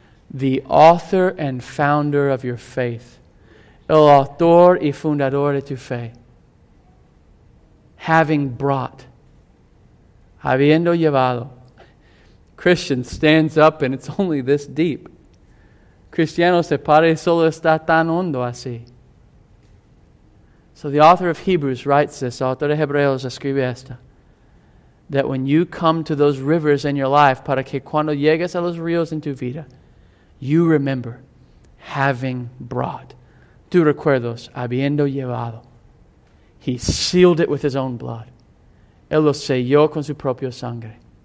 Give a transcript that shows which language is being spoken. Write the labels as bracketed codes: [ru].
[en] The author and founder of your faith. [es] El autor y fundador de tu fe. [en] Having brought. [es] Habiendo llevado. [en] Christian stands up and it's only this deep. [es] Cristiano se para y solo está tan hondo así. [en] So the author of Hebrews writes this, [es] autor de Hebreos escribe esta, [en] that when you come to those rivers in your life, [es] para que cuando llegues a los ríos en tu vida, [en] you remember having brought. [es] Tú recuerdos, habiendo llevado. [en] He sealed it with His own blood. [es] Él lo selló con su propio sangre.